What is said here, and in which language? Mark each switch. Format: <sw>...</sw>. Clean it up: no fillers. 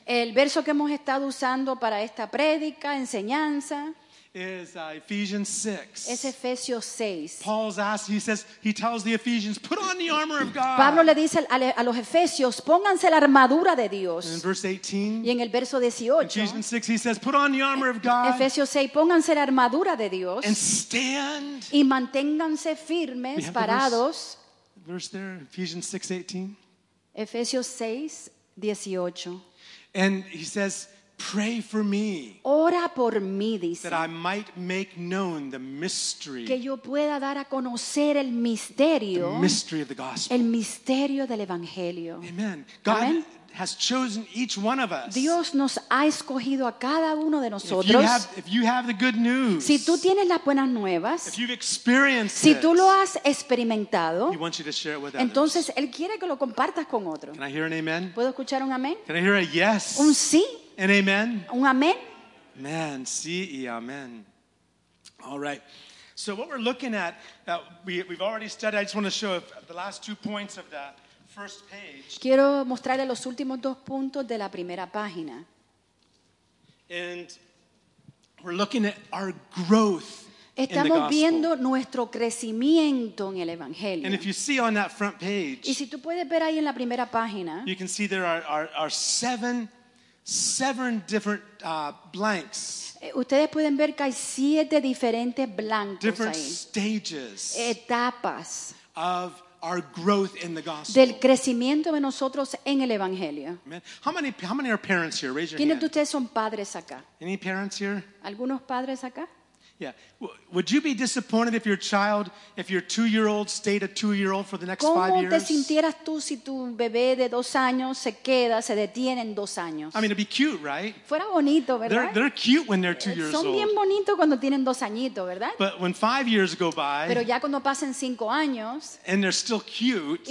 <es>El verso que hemos estado usando para esta prédica, enseñanza,</es> <en>is Ephesians 6.</en> <es>Es Efesios 6.</es> <en>Paul's asked, he tells the Ephesians, put on the armor of God.</en> <es>Pablo le dice a los Efesios, pónganse la armadura de Dios.</es> <en>And in verse 18,</en> <es>y en el verso 18,</es> <en>Ephesians 6, he says, put on the armor of God.</en> <es>Efesios 6, pónganse la armadura de Dios.</es> <en>And stand.</en> <es>Y manténganse firmes, parados.</es> <en>Verse there, Ephesians 6, 18.</en> <es>Efesios 6, 18.</es> <en>And he says, pray for me.</en> <es>Ora por mí, dice.</es> <en>That I might make known the mystery.</en> <es>Que yo pueda dar a conocer el misterio.</es> <en>The mystery of the gospel.</en> <es>El misterio del evangelio.</es> <en>Amen. God Amen. Has chosen each one of us.</en> <es>Dios nos ha escogido a cada uno de nosotros.</es> <en>If you have the good news.</en> <es>Si tú tienes las buenas nuevas.</es> <en>If you've experienced</en> <es>si tú lo has experimentado.</es> <en>He wants you to share it with</en> <es>entonces</es> <en>others.</en> <es>Él quiere que lo compartas con otros.</es> <en>Can I hear an amen?</en> <es>¿Puedo escuchar un amén?</es> <en>Can I hear a yes?</en> <es>Un sí.</es> <en>An amen.</en> <es>Un amén. Man, sí y amén.</es> <en>All right. So what we're looking at, we've already studied. I just want to show the last two points of the first page.</en> <es>Quiero mostrarle los últimos dos puntos de la primera página.</es> <en>And we're looking at our growth.</en> <es>Estamos viendo nuestro crecimiento en el Evangelio.</es> <en>And if you see on that front page,</en> <es>y si tú puedes ver ahí en la primera página,</es> <en>you can see there are seven different blanks.</en> <es>Ustedes pueden ver que hay siete diferentes blancos ahí.</es> <en>Different stages.</en> <es>Etapas.</es> <en>Of our growth in the gospel.</en> <es>Del crecimiento de nosotros en el evangelio.</es> <en>Amen. How many are parents here? Raise your</en> <es>¿Quiénes</es> <en>hand.</en> <es>¿Quiénes de ustedes son padres acá?</es> <en>Any parents here?</en> <es>¿Algunos padres acá?</es> <en>Yeah. Would you be disappointed if your two-year-old stayed a two-year-old for the next 5 years?</en> <es>¿Cómo te sintieras tú si tu bebé de 2 años se detiene en 2 años?</es> <en>I mean, it'd be cute, right?</en> <es>Fuera bonito, ¿verdad?</es> <en>They're cute when they're 2 years old.</en> <es>Son bien bonitos cuando tienen 2 añitos, ¿verdad?</es> <en>But when 5 years go by,</en> <es>pero ya cuando pasen 5 años,</es> <en>and they're still cute,</en>